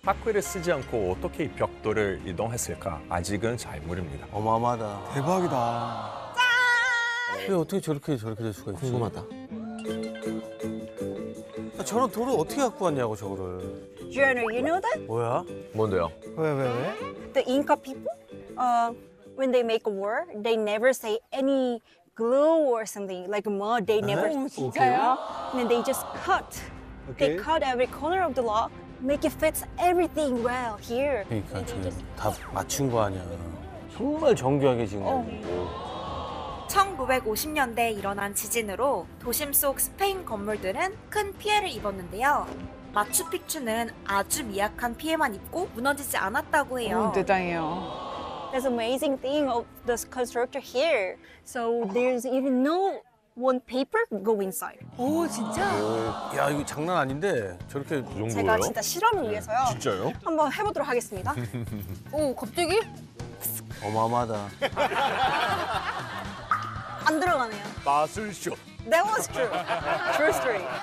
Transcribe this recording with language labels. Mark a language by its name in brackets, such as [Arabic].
[Korean] 바퀴를 쓰지 않고 어떻게 벽돌을 이동했을까? 아직은 잘 모릅니다. 어마어마하다. 대박이다. 짠! 왜 어떻게 저렇게 될 수가 있지? 궁금하다. 저런 돌을 어떻게 갖고 왔냐고, 저거를. [English] Jenner, you know that? [Korean] 뭐야? 뭔데요? 왜? [English] The Inca people, when they make a war, they never say any glue or something, like mud. They never okay. And then they just cut. Okay. They cut every corner of the lock, make it fits everything well here. [Korean] 그러니까 저는 다 맞춘 거 아니야. 정말 정교하게 지은 거 아니야. 1950년대에 일어난 지진으로 도심 속 스페인 건물들은 큰 피해를 입었는데요. 마추픽추는 아주 미약한 피해만 입고 무너지지 않았다고 해요. 대단해요. [English] There's amazing thing of this construction here. So there's even no one paper go inside. [Korean] 오 진짜? 오, 야 이거 장난 아닌데 저렇게 용도요? 제가 진짜 실험을 위해서요. 진짜요? 한번 해보도록 하겠습니다. 오 갑자기? 어마어마하다. 안 들어가네요. 마술쇼. [English] That was true. True story.